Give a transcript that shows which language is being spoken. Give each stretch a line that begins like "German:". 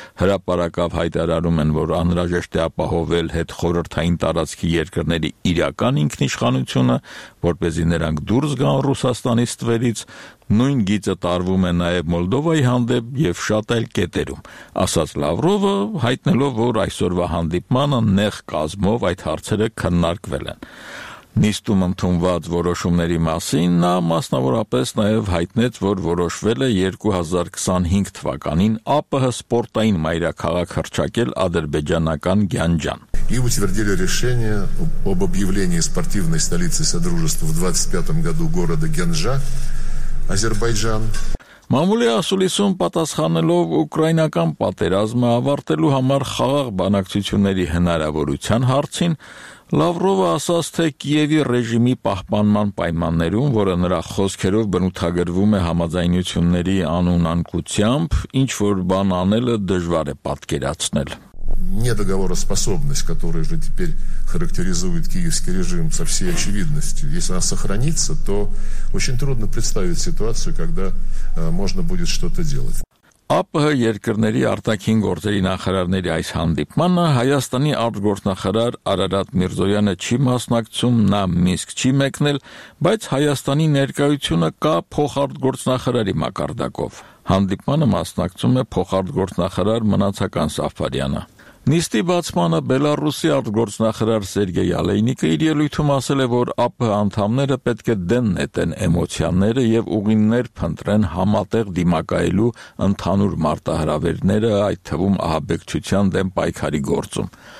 Armenian: հրապարակավ հայտարարում են, որ անհրաժեշտ է ապահովել հետխորհրդային տարածքի երկրների իրական ինքնիշխանությունը, որպեսզի նրանք դուրս գան Ռուսաստանի ստվերից։ Նույն գիծը տարվում է նաև Մոլդովայի հանդեպ և շատ այլ կետերում, ասաց Լավրովը, հայտնելով, որ այսօրվա հանդիպմանը նեղ կազմով այդ հարցերը քննարկվել են։ Նիստում ընդունված որոշումների մասին նա մասնավորապես նաև հայտնեց, որ որոշվել է 2025 թվականին ԱՊՀ սպորտային մայրաքաղաք հռչակել ադրբեջանական Գյանջան։
Russian: И утвердили решение об объявлении спортивной столицей содружества в 25-м году города Гянджа.
Armenian: Ադրբեջան Մամուլի ասուլիսում պատասխանելով ուկրաինական պատերազմը ավարտելու համար խաղաղ բանակցությունների հնարավորության հարցին Լավրովը ասաց, թե Կիևի ռեժիմի պահպանման պայմաններում, որը նրա խոսքերով բնութագրվում է համաձայնությունների անունանկությամբ, ինչ որ բան անելը դժվար է պատկերացնել։
Russian: Недоговороспособность, которая же теперь характеризует киевский режим со всей очевидностью, если она сохранится, то очень трудно представить ситуацию, когда можно будет что-то делать.
Armenian: ԱՊՀ երկրների արտաքին գործերի նախարարների այս հանդիպմանը Հայաստանի արտգործնախարար Արարատ Միրզոյանը չի մասնակցում, նա Մինսկ չի մեկնել, բայց Հայաստանի ներկայությունը կա փոխարտգործնախարարի մակարդակով։ Հանդիպմանը մասնակցում է փոխարտգործնախարար Մնացական Սաֆարյանը։ Նիստի բացմանը Բելարուսի արտգործնախարար Սերգեյ Ալեյնիկը իր ելույթում ասել է, որ ԱՊՀ անդամները պետք է դեն նետեն էմոցիաները և ուղիններ փնտրեն համատեղ դիմակայելու ընդհանուր մարտահրավերները, այդ թվում ահաբեկչության դեմ պայքարի գործում։